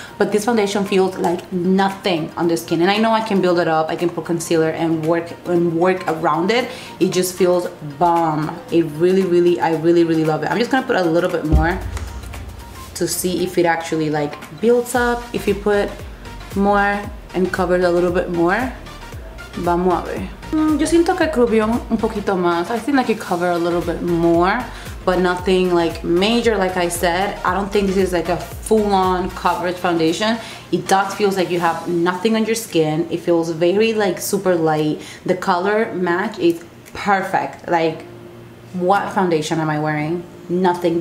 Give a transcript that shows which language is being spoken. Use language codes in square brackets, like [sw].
[en] But this foundation feels like nothing on the skin. And I know I can build it up, I can put concealer and work around it. It just feels bomb. It really, really, I really, really love it. I'm just gonna put a little bit more to see if it actually like builds up, if you put more and covers a little bit more. [es] Vamos a ver. Yo siento que cubrió un poquito más. [en] I think like it covered a little bit more, but nothing like major, like I said. I don't think this is like a full-on coverage foundation. It does feel like you have nothing on your skin. It feels very like super light. The color match is perfect. Like, what foundation am I wearing? Nothing.